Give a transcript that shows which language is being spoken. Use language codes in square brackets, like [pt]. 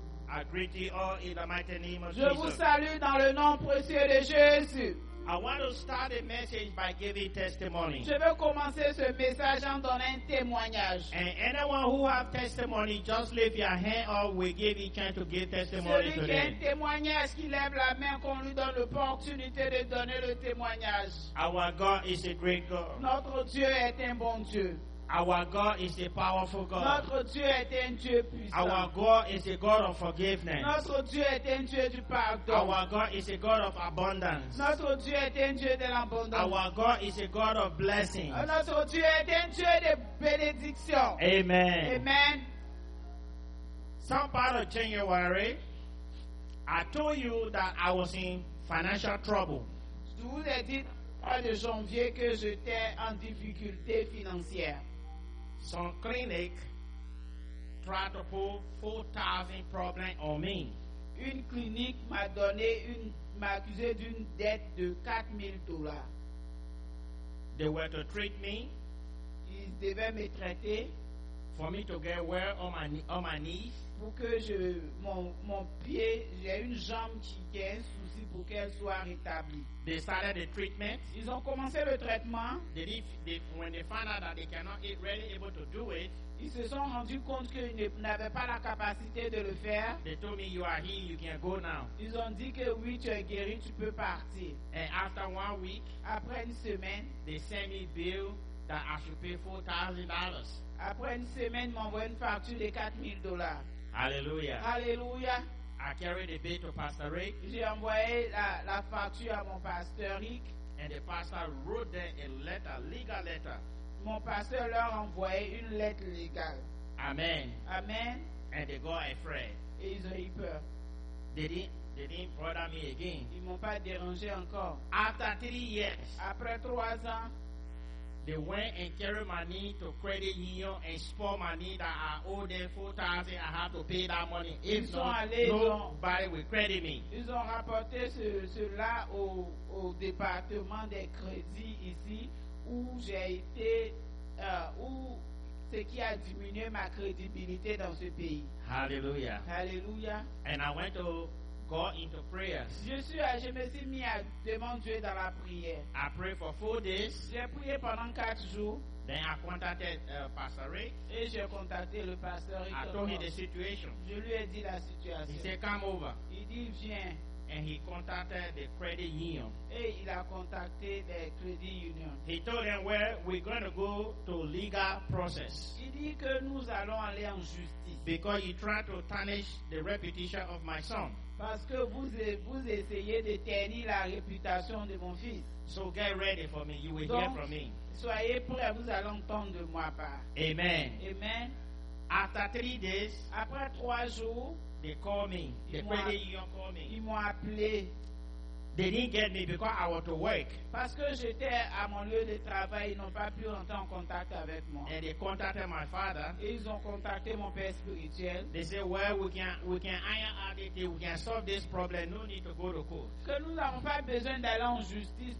[en] I greet you all in the mighty name of Jesus. [fr] Je vous salue dans le nom précieux de Jésus. [en] I want to start a message by giving testimony. [fr] Je veux commencer ce message en donnant un témoignage. [en] And anyone who have testimony, just lift your hand or we give each other to give testimony today. [fr] Celui qui a un témoignage, qui lève la main, qu'on lui donne l'opportunité de donner le témoignage. [en] Our God is a great God. [fr] Notre Dieu est un bon Dieu. [en] Our God is a powerful God. [fr] Notre Dieu est un Dieu puissant. [en] Our God is a God of forgiveness. [fr] Notre Dieu est un Dieu du pardon. [en] Our God is a God of abundance. [fr] Notre Dieu est un Dieu de l'abondance. [en] Our God is a God of blessings. [fr] Notre Dieu est un Dieu de bénédiction. [en] Amen. [fr] Amen. [en] Some part of January, I told you that I was in financial trouble. [fr] Je vous ai dit de janvier que j'étais en difficulté financière. [en] Son clinic tried to put 4,000 problems on me. [fr] Une clinique m'a donné une m'a accusé d'une dette de $4,000. [en] They were to treat me. [fr] Ils devaient me traiter. [en] For me to get well on my knees. [fr] Pour que je mon pied, j'ai une jambe qui a un souci pour qu'elle soit rétablie. [en] They started the treatment. [fr] Ils ont commencé le traitement. [en] When they found out that they cannot get really able to do it. [fr] Ils se sont rendus compte qu'ils n'avaient pas la capacité de le faire. [en] They told me you are here, you can go now. [fr] Ils ont dit que oui, tu es guéri, tu peux partir. [en] And after 1 week, [fr] après une semaine, [en] they sent me bill that I should pay $4,000. [fr] Après une semaine, m'envoie une facture de $4,000. [en] Hallelujah. [fr] Hallelujah. [en] I carried the bill to Pastor Rick. [fr] J'ai envoyé la facture à mon pasteur Rick. [en] And the pastor wrote them a letter, legal letter. [fr] Mon pasteur leur envoyé une lettre légale. [en] Amen. [fr] Amen. [en] And they got afraid. [fr] Et ils ont eu peur. [en] They didn't bother me again. [fr] Ils m'ont pas dérangé encore. [en] After 3 years. [fr] Après 3 ans. [en] They went and carry money to credit union and spoil money that I owe them 4,000. I have to pay that money. If [fr] ils [en] not, [fr] allés, [en] nobody [fr] ont, [en] will credit me. [fr] Ils ont rapporté cela au département des crédits ici où j'ai été où ce qui a diminué ma crédibilité dans ce pays. [en] Hallelujah. [fr] Hallelujah. [en] And I went to God into prayers. [fr] Je me suis mis à demander Dieu dans la prière. [en] I prayed for 4 days. [fr] J'ai prié pendant 4 jours. [en] Then I contacted Pastor Rick. [fr] Et j'ai contacté le pasteur Rick. [en] I told him the situation. [fr] Je lui ai dit la situation. [en] He said, "Come over." [fr] Il dit, viens. [en] And he contacted the credit union. [fr] Et il a contacté [en] the credit union. He told them, "Well, we're going to go to legal process." [fr] Il dit que nous allons aller en justice. [en] Because you try to tarnish the reputation of my son. [fr] Parce que vous essayez de ternir la réputation de mon fils. [en] So get ready for me. You will [fr] Donc, [en] hear from me. [fr] Soyez prêts, vous allez entendre de moi part. [en] Amen. [fr] Amen. [en] After 3 days. [fr] Après 3 jours. [en] They called me. The credit union called me. [fr] Ils m'ont appelé. [en] They didn't get me because I was to work. [fr] Parce que j'étais à mon lieu de travail, ils n'ont pas pu entrer en contact avec moi. [en] And they contacted my father. [fr] Et ils ont contacté mon père spirituel. [en] They said, "Well, we can iron out it. We can solve this problem. No need to go to court." [fr] Que nous n'avons pas besoin d'aller en justice.